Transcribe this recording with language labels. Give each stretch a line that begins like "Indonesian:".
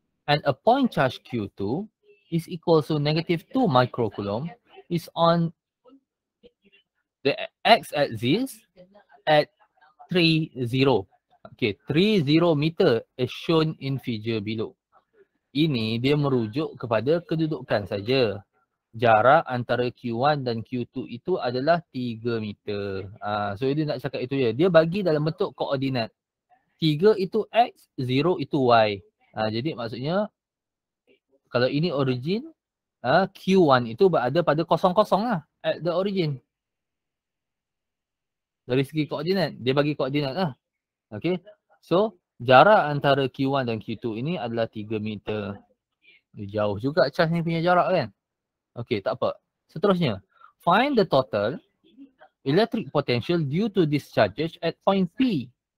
English: And a point charge Q2 is equal to negative 2 microcoulomb is on the x-axis at 30. Okay, 30 meter is shown in figure below.
Malay: ini dia merujuk kepada kedudukan saja. Jarak antara Q1 dan Q2 itu adalah 3 meter. So dia nak cakap itu je. Dia bagi dalam bentuk koordinat. 3 itu X, 0 itu Y. Jadi maksudnya kalau ini origin, Q1 itu berada pada kosong-kosong lah
English: at the origin.
Malay: Dari segi koordinat, dia bagi koordinat lah. Okay. So jarak antara Q1 dan Q2 ini adalah 3 meter. Jauh juga charge ni punya jarak kan. Okay, tak apa.
English: Seterusnya, find the total electric potential due to this charge at point P.